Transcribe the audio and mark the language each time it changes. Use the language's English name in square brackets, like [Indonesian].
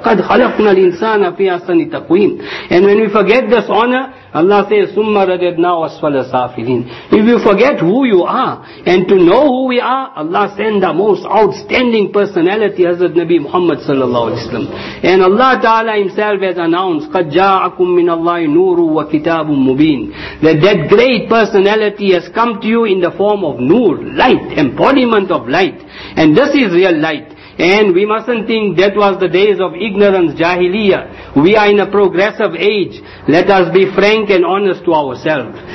[Arabic] لَقَدْ خَلَقْنَا الْإِنسَانَ فِي أَحْسَنِ تَقْوِيمٍ. [English] And when we forget this honor, Allah says, [Arabic] ثُمَّ رَدَدْنَا أَسْفَلَ سَافِلِينَ. [English] If you forget who you are, and to know who we are, Allah send the most outstanding personality, Hazrat Nabi Muhammad sallallahu alaihi wasallam. And Allah Ta'ala Himself has announced, [Arabic] قَدْ جَاءَكُمْ مِنَ اللَّهِ نُورٌ وَكِتَابٌ مُبِينٌ. [English] That great personality has come to you in the form of nur, light, embodiment of light. And this is real light. And we mustn't think that was the days of ignorance, jahiliyyah. We are in a progressive age. Let us be frank and honest to ourselves.